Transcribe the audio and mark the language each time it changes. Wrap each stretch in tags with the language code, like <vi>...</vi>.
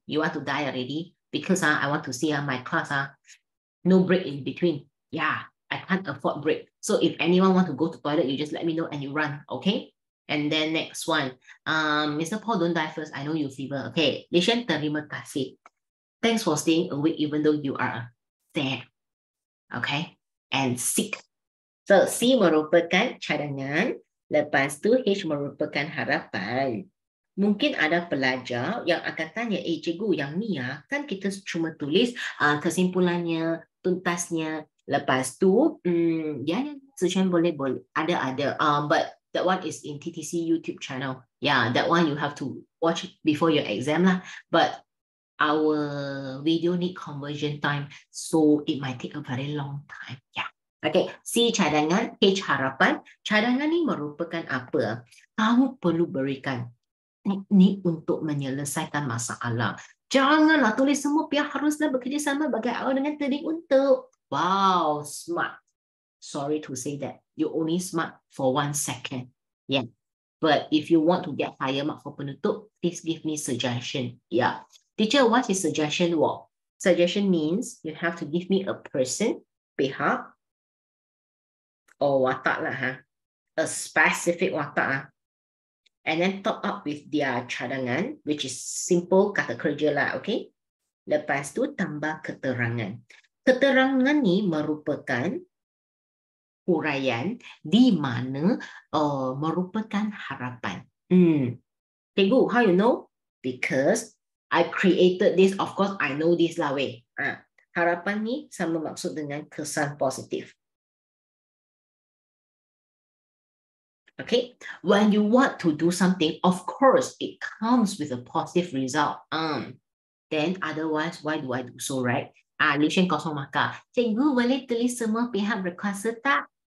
<en>You want to die already? Because I want to see my class. No break in between. Yeah, I can't afford break. So if anyone want to go to toilet, you just let me know and you run, okay? And then next one. Mr. Paul, don't die first. I know you fever. Okay.</en> <ms>Lishan, terima kasih.</ms> <en>Thanks for staying awake even though you are sad. Okay? And sick. So</en> <ms>C merupakan cadangan. Lepas tu, H merupakan harapan. Mungkin ada pelajar yang akan tanya, eh cikgu, yang ni ah, kan kita cuma tulis kesimpulannya, tuntasnya. Lepas tu, ya, Sushan boleh, boleh. Ada.</ms> <en>But that one is in TTC YouTube channel. Yeah, that one you have to watch before your exam lah. But our video need conversion time, so it might take a very long time.</en> <ms>Yeah. Okay, C cadangan, H harapan. Cadangan ni merupakan apa? Kamu perlu berikan teknik untuk menyelesaikan masalah. Janganlah tulis semua, pihak haruslah bekerjasama bagi awal dengan teknik untuk.</ms> <en>Wow, smart. Sorry to say that. You only smart for 1 second. Yeah. But if you want to get higher mark for penutup, please give me suggestion. Yeah. Teacher, what is suggestion? Well, suggestion means you have to give me a person, pihak, or watak lah, huh? A specific watak, huh? And then top up with their cadangan, which is simple kata kerja lah, okay?</en> <ms>Lepas tu, tambah keterangan. Keterangan ni merupakan huraian di mana merupakan harapan.</ms> <en>Hmm. Tegu, how you know? Because I created this, of course, I know this lah, weh.</en> <ms>Harapan ni sama maksud dengan kesan positif.</ms> <en>Okay, when you want to do something, of course, it comes with a positive result. Then otherwise, why do I do so, right? Ah, Lishan kosong maka.</en> <ms>Cikgu, boleh tulis semua pihak berkuasa tak?</ms>